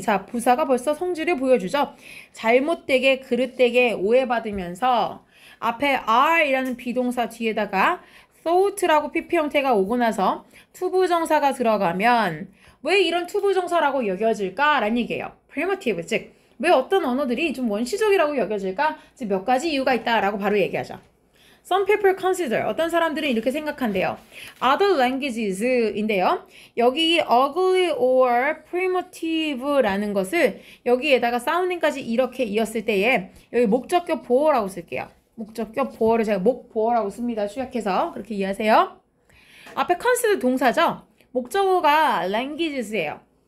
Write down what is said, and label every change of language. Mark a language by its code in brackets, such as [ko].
[ko] 자, 부사가 벌써 성질을 보여주죠. 잘못되게 그릇되게 오해받으면서 앞에 are이라는 비동사 뒤에다가 thought라고 pp 형태가 오고 나서 투부정사가 들어가면 왜 이런 투부정사라고 여겨질까? 라는 얘기예요. primitive, 즉 왜 어떤 언어들이 좀 원시적이라고 여겨질까? 즉 몇 가지 이유가 있다라고 바로 얘기하죠. [en] Some people consider, [ko] 어떤 사람들은 이렇게 생각한대요. [en] Other languages인데요. [ko] 여기 [en] ugly or primitive [ko] 라는 것을 여기에다가 sounding까지 이렇게 이었을 때에 여기 목적격 보어라고 쓸게요. 목적격 보어를 제가 목보어라고 씁니다. 축약해서 그렇게 이해하세요. 앞에 consider 동사죠. 목적어가 languages예요.